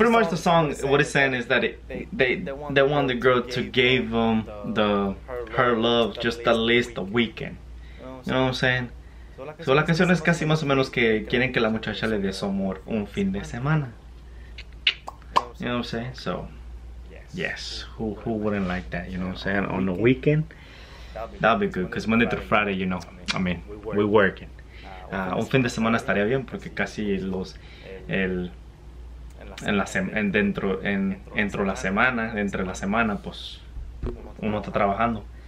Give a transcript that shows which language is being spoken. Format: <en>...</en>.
<en>the song, what it's saying is that they want the girl to give them her love just at least a weekend. You know what I'm saying?</en> <es>So la canción es casi más o menos que quieren que la muchacha le dé su amor un fin de semana.</es> <en>You know what I'm saying? So yes, who wouldn't like that? You know what I'm saying? On the weekend, that'll be good. Cause Monday through Friday, you know, I mean, we working.</en> <es>Un fin de semana estaría bien porque casi los el entre la semana pues uno está trabajando.</es>